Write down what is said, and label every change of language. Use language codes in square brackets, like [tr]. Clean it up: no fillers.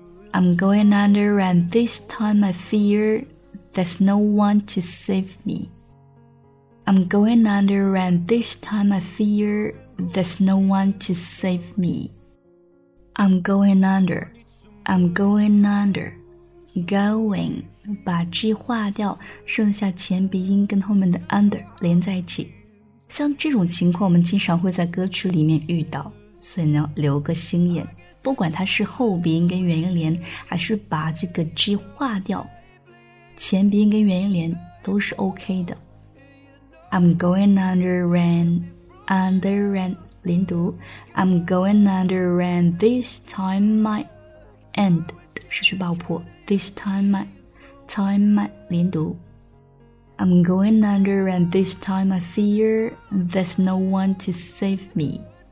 [en] I'm going under and this time I fear there's no one to save me. I'm going under and this time I fear there's no one to save me. I'm going under, I'm going under. [zh] Going, 把 G 划掉，剩下前鼻音跟后面的 under 连在一起。像这种情况我们经常会在歌曲里面遇到，所以呢留个心眼。不管它是后鼻音跟元音连，还是把这个 G 划掉，前鼻音跟元音连都是 OK 的。 [en] I'm going under and under and [zh] 连读。 [en] I'm going under and this time my and [zh] 失去爆破。 [en] This time my time my [zh] 连读。 [en] I'm going under and this time I fear there's no one to save me.